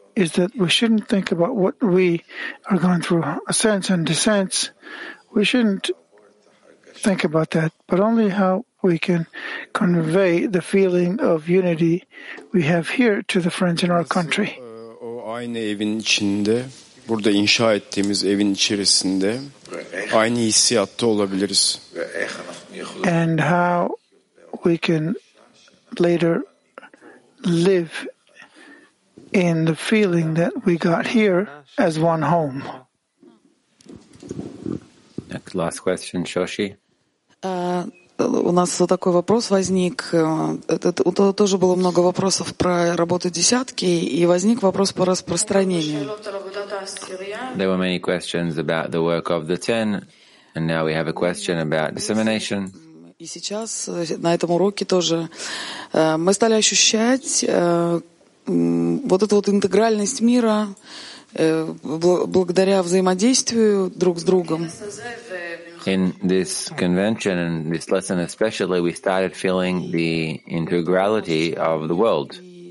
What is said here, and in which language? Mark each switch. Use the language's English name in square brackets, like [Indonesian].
[English] is that we shouldn't think about what we are going through, ascents and descents. We shouldn't think about that, but only how we can convey the feeling of unity we have here to the friends in our country. [Turkish] O aynı evin içinde, burada inşa ettiğimiz evin içerisinde aynı hissiyatta olabiliriz. [English] And how we can later live in the feeling that we got here as one home. Next, last question, Shoshi. [Russian] У нас вот такой вопрос возник. Это тоже было много вопросов про работу десятки, и возник вопрос по распространению. [English] There were many questions about the work of the ten, and now we have a question about dissemination. [Russian] И сейчас на этом уроке тоже мы стали ощущать вот эту вот интегральность мира благодаря взаимодействию друг с другом. [English] In this convention and this lesson especially, we started feeling the integrality of the world.